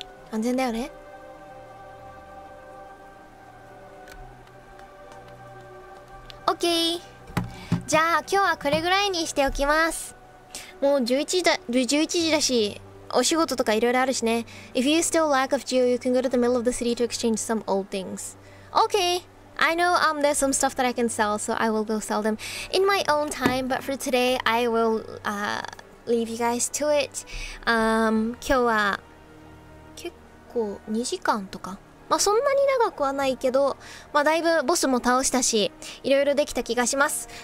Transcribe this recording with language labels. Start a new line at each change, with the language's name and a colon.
Japanese: 安全だよね。オッケー。じゃあ今日はこれぐらいにしておきます。もう11時だし、お仕事とかいろいろあるしね。
English: If you still lack of geo, you can go to the middle of the city to exchange some old things. Okay, I know there's some stuff that I can sell, so I will go sell them in my own time, but for today I will leave you guys to it.
Japanese: 今日は結構2時間とか、まあそんなに長くはないけど、まあだいぶボスも倒したし、いろいろできた気がします。